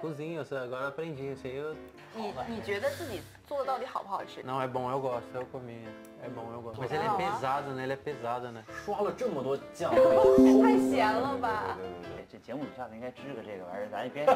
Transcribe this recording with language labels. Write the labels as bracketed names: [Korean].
[Portuguese] Agora cozinho, eu sou agora aprendi, eu sei. [Chinese] 你觉得自己做的到底好不好吃 [Portuguese] ？Não é bom, eu gosto, eu comi. É bom, eu gosto. Mas ele é pesado, né? Ele é pesado, né? [Chinese] 刷了这么多酱，太咸了吧？这节目下次应该支个这个玩意儿，咱边聊